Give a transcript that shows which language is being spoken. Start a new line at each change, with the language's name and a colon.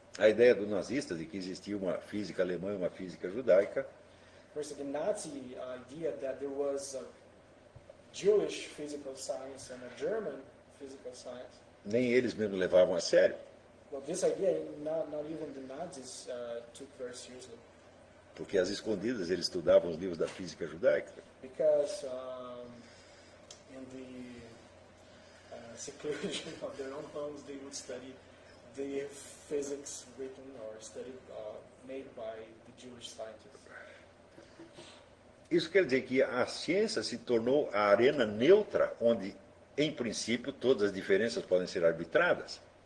Portuguese: A ideia do nazista de que existia uma física alemã e uma física judaica.
English: First, the Nazi idea that there was a Jewish physical science and a German physical science.
Portuguese: Nem eles mesmos levavam a sério.
English: Well, this idea, not even the Nazis took very seriously.
Portuguese: Porque às escondidas eles estudavam os livros da física judaica.
English: Because in the seclusion of their own homes, they would study the physics written or studied made by the Jewish scientists.
Portuguese: Isso quer dizer que a ciência se tornou a arena neutra onde, em princípio, todas as diferenças podem ser arbitradas.